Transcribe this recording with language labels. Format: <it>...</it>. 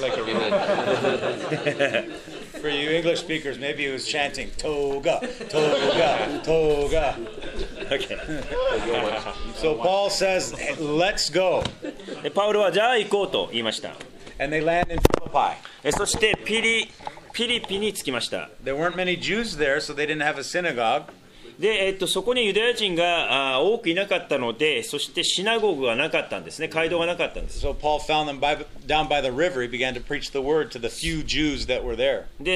<ja>ローマの服で、トーガという、なんか相撲さんみたいな下着があるそうです。はい。</ja> <en>For you English speakers, maybe he was chanting, Toga, Toga, Toga. So Paul says, let's go.</en> <ja>パウロは、じゃあ行こうと言いました。</ja> <en>And they land in Philippi.</en> <ja>そして、ピリピに着きました。</ja> <en>There weren't many Jews there, so they didn't have a synagogue.</en> <ja>で、そこにユダヤ人が多くいなかったので、そしてシナゴーグがなかったんですね、街道がなかったんです。</ja> <en>So Paul found them down by the river. He began to preach the word to the few Jews that were there.</en>